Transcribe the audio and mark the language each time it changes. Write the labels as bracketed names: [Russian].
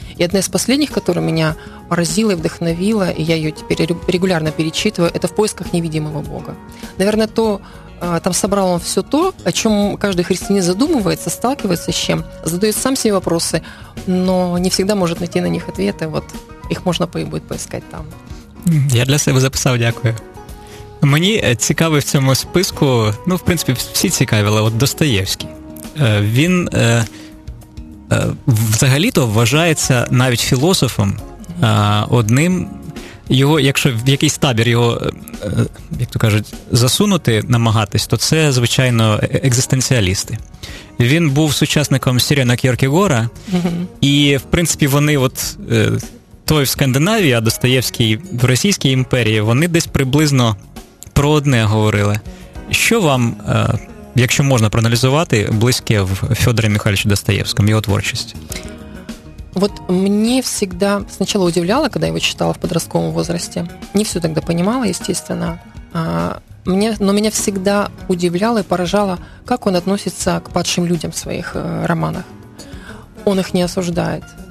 [Russian] И одна из последних, которая меня поразила и вдохновила, и я ее теперь регулярно перечитываю, это «В поисках невидимого Бога». Наверное, то там собрал он все то, о чем каждый христианин задумывается, сталкивается с чем, задает сам себе вопросы, но не всегда может найти на них ответы. Вот их можно будет поискать там. Я для себя записал, [Ukrainian] дякую. Мені цікаво в цьому списку, ну, в принципі, всі цікаві, але от Достоєвський. Він взагалі-то вважається навіть філософом. одним. Його, якщо в якийсь табір його, як то кажуть, засунути, намагатись, то це, звичайно, екзистенціалісти. Він був сучасником Сірена Кьєркегора, і, в принципі, вони, от той в Скандинавії, а Достоєвський в Російській імперії, вони десь приблизно про одне говорили. Що вам, якщо можна проаналізувати, близьке в Федорі Михайловичу Достоєвському, його творчості? [Russian] Вот мне всегда сначала удивляло, когда я его читала в подростковом возрасте. Не все тогда понимала, естественно. Но меня всегда удивляло и поражало, как он относится к падшим людям в своих романах. Он их не осуждает.